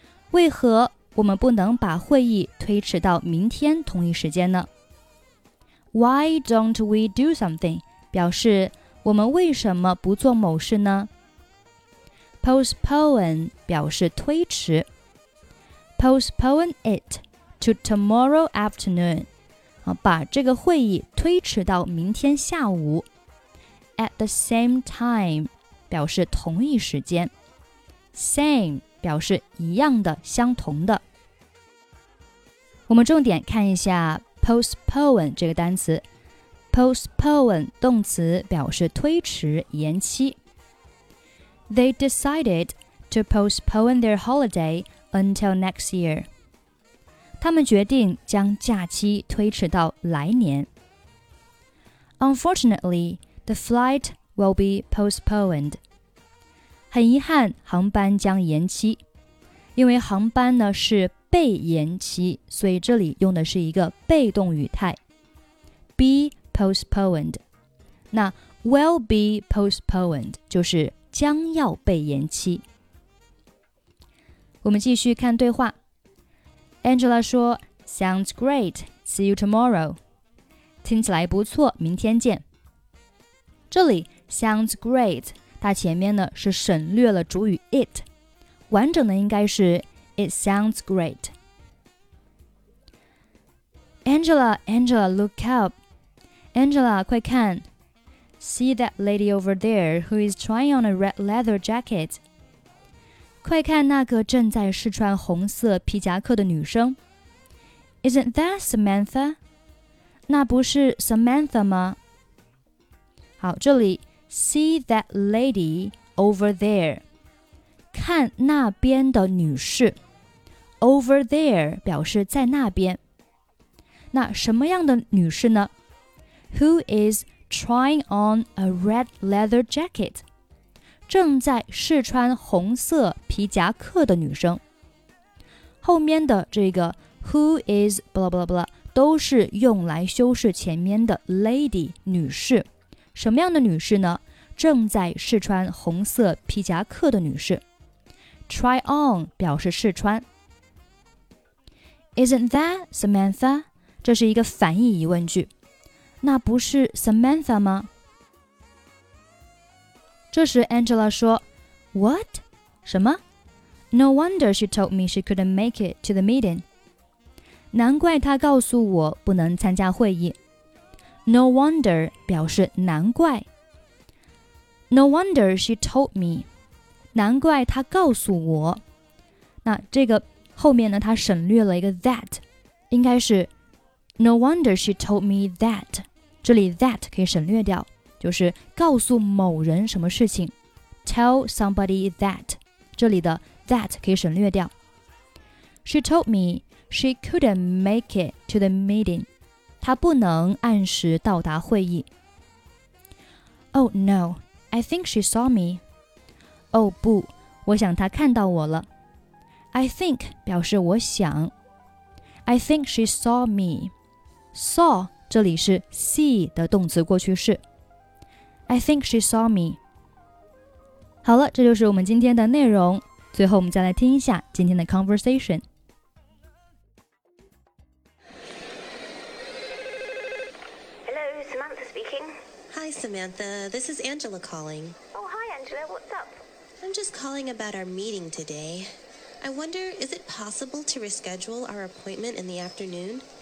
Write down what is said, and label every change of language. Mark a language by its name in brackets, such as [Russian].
[Chinese] 为何我们不能把会议推迟到明天同一时间呢? [English] Why don't we do something? [Chinese] 表示我们为什么不做某事呢?Postpone 表示推迟。 [English] Postpone it to tomorrow afternoon. [Chinese] 把这个会议推迟到明天下午。 [English] At the same time, [Chinese] 表示同一时间。 Same, 表示一样的、相同的。我们重点看一下 postpone 这个单词。 Postpone, 动词表示推迟、延期。 [English] They decided to postpone their holiday until next year. [Chinese] 他们决定将假期推迟到来年。 [English] Unfortunately,The flight will be postponed. [Chinese] 很遗憾，航班将延期。因为航班呢是被延期，所以这里用的是一个被动语态。 [English] Be postponed. [Chinese] 那 [English] will be postponed [Chinese] 就是将要被延期。我们继续看对话。Angela 说 [English] Sounds great. See you tomorrow. [Chinese] 听起来不错，明天见。这里 [English] sounds great， [Chinese] 它前面呢是省略了主语 it， 完整的应该是 [English] it sounds great。 Angela， look up， Angela， [Chinese] 快看 [English] ，see that lady over there who is trying on a red leather jacket。 [Chinese] 快看那个正在试穿红色皮夹克的女生。 [English] Isn't that Samantha？ [Chinese] 那不是 Samantha 吗？好，这里 [English] see that lady over there， [Chinese] 看那边的女士。 [English] Over there [Chinese] 表示在那边。那什么样的女士呢？ [English] Who is trying on a red leather jacket？ [Chinese] 正在试穿红色皮夹克的女生。后面的这个 [English] who is blah blah blah [Chinese] 都是用来修饰前面的 lady 女士。什么样的女士呢？正在试穿红色皮夹克的女士。 [English] Try on [Chinese] 表示试穿。 [English] Isn't that Samantha? [Chinese] 这是一个反义疑问句。那不是 Samantha 吗？这时 Angela 说 What? 什么？ [English] No wonder she told me she couldn't make it to the meeting. [Chinese] 难怪她告诉我不能参加会议。 [English] No wonder [Chinese] 表示难怪。 [English] No wonder she told me. [Chinese] 难怪她告诉我。那这个后面呢，他省略了一个 that， 应该是 [English] No wonder she told me that。 [Chinese] 这里 that 可以省略掉，就是告诉某人什么事情， [English] Tell somebody that， [Chinese] 这里的 that 可以省略掉。 [English] She told me she couldn't make it to the meeting， [Chinese] 她不能按时到达会议。 [English] Oh no， I think she saw me。 [Chinese] Oh 不，我想她看到我了。 [English] I think [Chinese] 表示我想。 [English] I think she saw me. [Chinese] Saw 这里是 see 的动词过去式。 [English] I think she saw me. [Chinese] 好了，这就是我们今天的内容。最后我们再来听一下今天的 [English] conversation。 Hello, Samantha speaking. Hi, Samantha. This is Angela calling. Oh, hi, Angela. What's up? I'm just calling about our meeting today. I wonder, is it possible to reschedule our appointment in the afternoon?